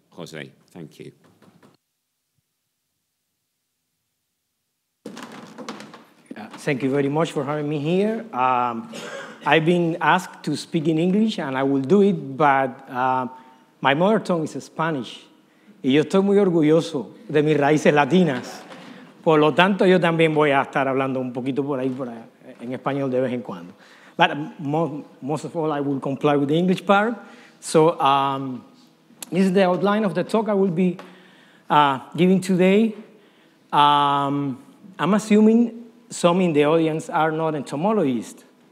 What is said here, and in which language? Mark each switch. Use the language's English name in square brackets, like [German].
[English] José, thank you. Thank you very much for having me here. I've been asked to speak in English, and I will do it, but my mother tongue is Spanish. [Spanish] Y yo estoy muy orgulloso de mis raíces latinas. Por lo tanto, yo también voy a estar hablando un poquito por ahí, en español de vez en cuando. [English] But most of all, I will comply with the English part. So, this is the outline of the talk I will be giving today. I'm assuming some in the audience are not entomologists.